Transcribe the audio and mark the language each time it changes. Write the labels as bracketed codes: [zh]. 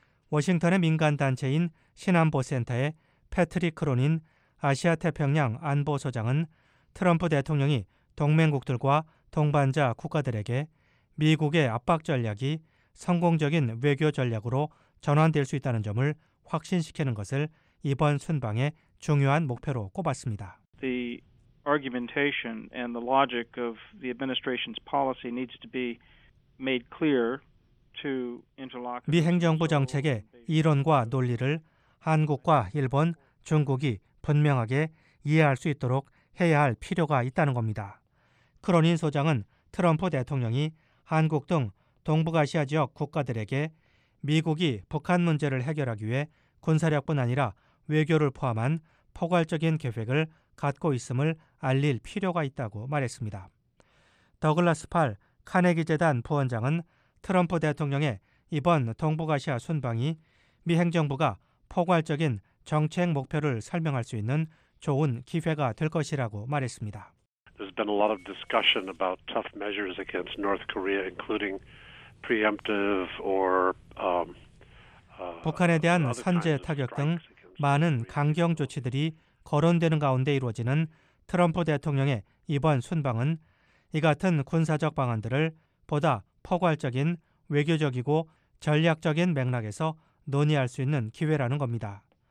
[ko] 워싱턴의 민간단체인 신안보센터의 패트릭 크로닌 아시아태평양 안보소장은 트럼프 대통령이 동맹국들과 동반자 국가들에게 미국의 압박 전략이 성공적인 외교 전략으로 전환될 수 있다는 점을 확신시키는 것을 이번 순방의 중요한 목표로 꼽았습니다. [en] The argumentation and the logic of the administration's policy needs to be made clear to interlocutors. [ko] 미 행정부 정책의 이론과 논리를 한국과 일본, 중국이 분명하게 이해할 수 있도록 해야 할 필요가 있다는 겁니다. 크로닌 소장은 트럼프 대통령이 한국 등 동북아시아 지역 국가들에게 미국이 북한 문제를 해결하기 위해 군사력뿐 아니라 외교를 포함한 포괄적인 계획을 갖고 있음을 알릴 필요가 있다고 말했습니다. 더글라스 팔 카네기재단 부원장은 트럼프 대통령의 이번 동북아시아 순방이 미 행정부가 포괄적인 정책 목표를 설명할 수 있는 좋은 기회가 될 것이라고 말했습니다. [en] There's been a lot of discussion about tough measures against North Korea, including preemptive or [ko] 북한에 대한 선제 타격 등 많은 강경 조치들이 거론되는 가운데 이루어지는 트럼프 대통령의 이번 순방은 이 같은 군사적 방안들을 보다 포괄적인 외교적이고 전략적인 맥락에서 논의할 수 있는 기회라는 겁니다.